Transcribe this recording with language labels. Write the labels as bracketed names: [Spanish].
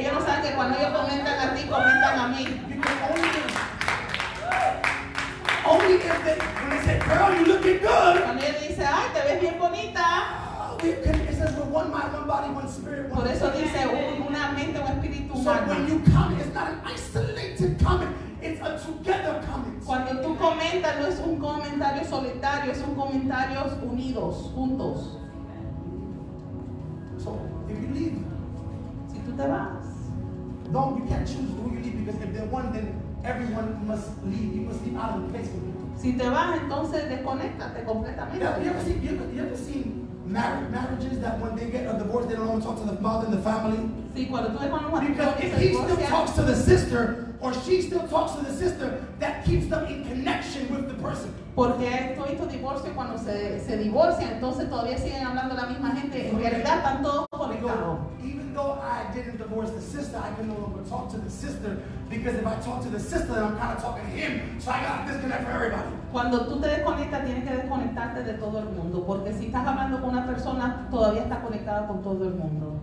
[Spanish] Ellos saben que cuando ellos comentan a ti, comentan a mí. [English] Only if they, when they say, girl, you're looking good. [Spanish] Cuando ella dice, ay, te ves bien bonita. [English] It says, we're one mind, one body, one spirit. [Spanish] Por eso dice, una mente, un espíritu. [English] So when you comment, it's not an isolated comment. It's a together comment. [Spanish] Cuando tú comentas, no es un comentario solitario, es un comentario unidos, juntos. [English] So, if you leave. [Spanish] Si tú te vas. [English] No, you can't choose who you leave, because if they're one, then everyone must leave. You must leave out of the place with people. [Spanish] Si te vas, entonces desconéctate completamente. [English] Yeah, you ever seen marriages that when they get a divorce, they don't want to talk to the mother and the family? Because if he still talks to the sister, or she still talks to the sister, that keeps them in connection with the person. [Spanish] Porque esto hizo divorcio cuando se divorcia, entonces todavía siguen hablando la misma gente. En realidad están todos conectados. [English] Even though I didn't divorce the sister, I can no longer talk to the sister, because if I talk to the sister, then I'm kind of talking to him. So I got to disconnect from everybody. [Spanish] Cuando tú te desconectas, tienes que desconectarte de todo el mundo, porque si estás hablando con una persona, todavía estás conectada con todo el mundo.